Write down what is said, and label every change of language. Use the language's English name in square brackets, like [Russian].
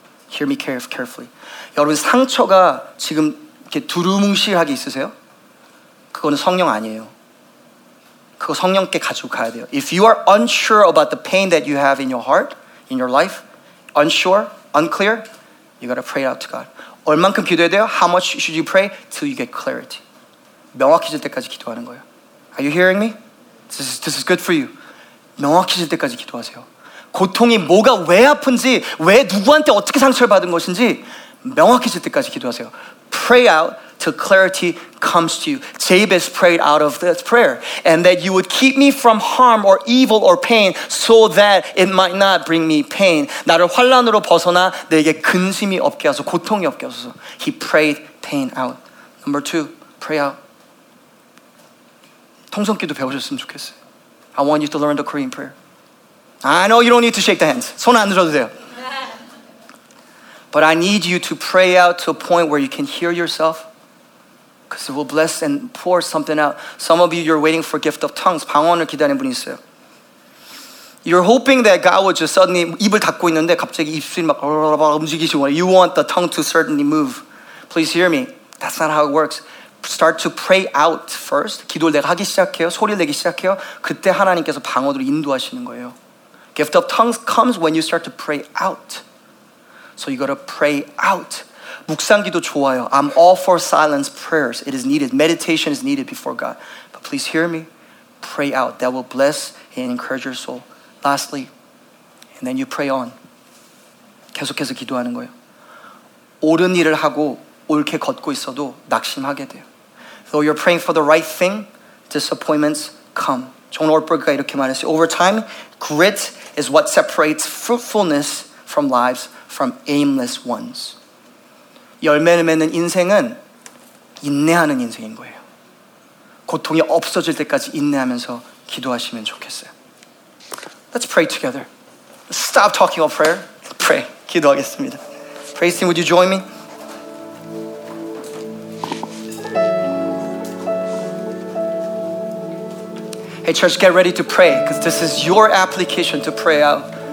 [English] Hear me carefully. [Korean] 여러분 상처가 지금 이렇게 두루뭉실하게 있으세요? 그거는 성령 아니에요. 그거 성령께 가지고 가야 돼요. [English] If you are unsure about the pain that you have in your heart, in your life, unsure, unclear, you gotta pray out to God. [Korean] 얼만큼 기도해야 돼요? [English] How much should you pray? Till you get clarity. [Korean] 명확해질 때까지 기도하는 거예요. [English] Are you hearing me? This is good for you. [Korean] 명확해질 때까지 기도하세요. 고통이 뭐가 왜 아픈지, 왜 누구한테 어떻게 상처를 받은 것인지 명확해질 때까지 기도하세요. [English] Pray out till clarity comes to you. Jabez prayed out of this prayer. And that you would keep me from harm or evil or pain so that it might not bring me pain. [Korean] 나를 환란으로 벗어나 내게 근심이 없게 하소, 고통이 없게 하소서. [English] He prayed pain out. Number two, pray out. [Korean] 통성기도 배우셨으면 좋겠어요. [English] I want you to learn the Korean prayer. I know you don't need to shake the hands. [Korean] 손 안 들어도 돼요. [English] But I need you to pray out to a point where you can hear yourself. Because it will bless and pour something out. Some of you, you're waiting for gift of tongues. [Korean] 방언을 기다리는 분이 있어요. [English] You're hoping that God would just suddenly [Korean] 입을 닫고 있는데 갑자기 입술이 막 움직이시고 원해. [English] You want the tongue to certainly move. Please hear me. That's not how it works. Start to pray out first. [Korean] 기도를 내가 하기 시작해요. 소리를 내기 시작해요. 그때 하나님께서 방언으로 인도하시는 거예요. [English] Gift of tongues comes when you start to pray out. So you gotta pray out. [Korean] 묵상기도 좋아요. [English] I'm all for silence prayers. It is needed. Meditation is needed before God. But please hear me. Pray out. That will bless and encourage your soul. Lastly, and then you pray on. [Korean] 계속해서 기도하는 거예요. 옳은 일을 하고 옳게 걷고 있어도 낙심하게 돼요. [English] Though you're praying for the right thing, disappointments come. [Korean] 존 오르버그가 이렇게 말했어요. [English] Over time, grit is what separates fruitfulness from lives from aimless ones. [Korean] 열매를 맺는 인생은 인내하는 인생인 거예요. 고통이 없어질 때까지 인내하면서 기도하시면 좋겠어요. [English] Let's pray together. Stop talking about prayer. Pray. [Korean] 기도하겠습니다. [English] Praise team, would you join me? Hey church, get ready to pray because this is your application to pray out.